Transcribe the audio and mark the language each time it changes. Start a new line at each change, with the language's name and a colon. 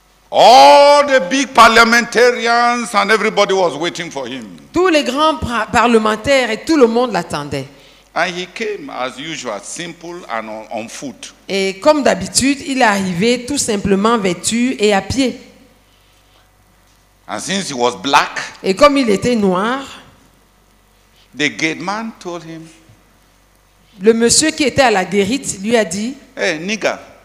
English: All the big parliamentarians and everybody was waiting for him.
French: Tous les grands parlementaires et tout le monde l'attendaient.
English: And he came as usual, simple and on foot.
French: Et comme d'habitude, il est arrivé tout simplement vêtu et à pied.
English: And since he was black,
French: et comme il était noir,
English: the gate man told him.
French: Le monsieur qui était à la guérite lui a dit,
English: hey, nigga.